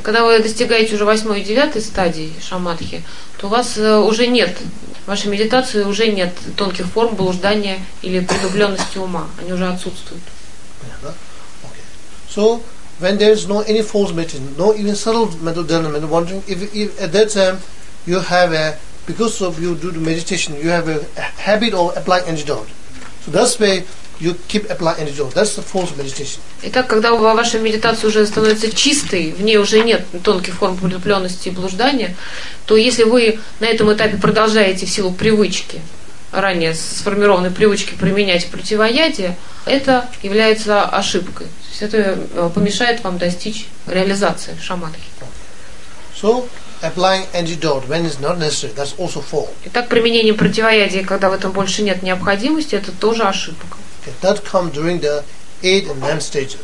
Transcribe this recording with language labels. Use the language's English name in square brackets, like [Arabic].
[Russian] Когда вы достигаете уже восьмой и девятой стадии шамадхи, то у вас уже нет, в вашей медитации уже нет тонких форм блуждания или притупленности ума, они уже отсутствуют. [English] Okay. So when there is no any false meditation, no even subtle mental dullness, mental wandering, if at that time you have a, because of you do the meditation, you have a habit of applying antidote. So that's why you keep applying antidote. That's the false meditation. [Russian] Итак, когда ваша медитация уже становится чистой, в ней уже нет тонких форм притупленности и блуждания, то если вы на этом этапе продолжаете в силу привычки, ранее сформированной привычки применять противоядие, это является ошибкой. То есть это помешает вам достичь реализации шамадхи. [English] So, applying antidote when it's not necessary, that's also false. [Russian] Итак, применение противоядия, когда в этом больше нет необходимости, это тоже ошибка. [English] Okay, that comes during the 8th and 9th stages.